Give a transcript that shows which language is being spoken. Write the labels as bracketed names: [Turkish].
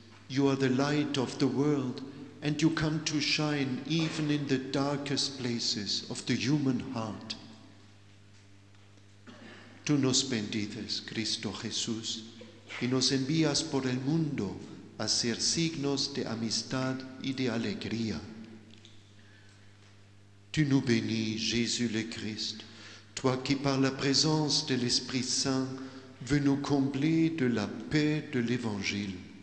[English] You are the light of the world, and you come to shine even in the darkest places of the human heart. [Spanish] Tú nos bendices, Cristo Jesús, y nos envías por el mundo a ser signos de amistad y de alegría. [French] Tu nous bénis, Jésus le Christ, toi qui par la présence de l'Esprit Saint veux nous combler de la paix de l'Évangile.